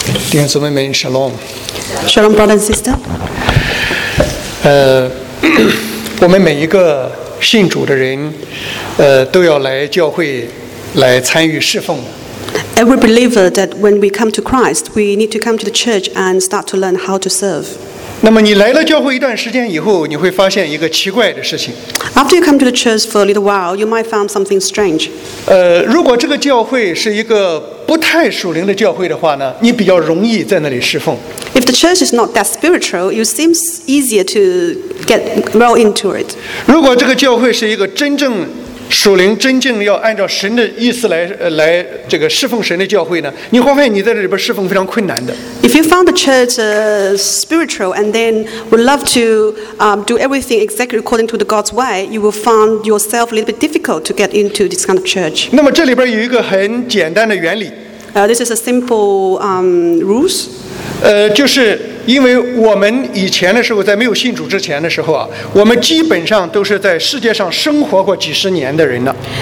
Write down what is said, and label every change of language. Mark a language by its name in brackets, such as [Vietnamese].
[Chinese] 弟兄姊妹们 ，Shalom。 [English] Shalom, brother and sister。 [Chinese] 我们每一个信主的人，都要来教会来参与侍奉。 [English] Every believer that when we come to Christ, we need to come to the church and start to learn how to serve. [Chinese] 那么你来了教会一段时间以后，你会发现一个奇怪的事情。 [English] After you come to the church for a little while, you might find something strange. [Chinese] 如果这个教会是一个不太属灵的教会的话呢，你比较容易在那里侍奉。 [English] If the church is not that spiritual, it seems easier to get well into it. [Chinese] 如果这个教会是一个真正属灵、真正要按照神的意思来这个侍奉神的教会呢，你会发现你在这里边侍奉非常困难的。 [English] If you found the church spiritual and then would love to do everything exactly according to the God's way, you will find yourself a little bit difficult to get into this kind of church. [Chinese] 那么这里边有一个很简单的原理。 [English] This is a simple rules. [Chinese] 就是因为我们以前的时候，在没有信主之前的时候啊，我们基本上都是在世界上生活过几十年的人了。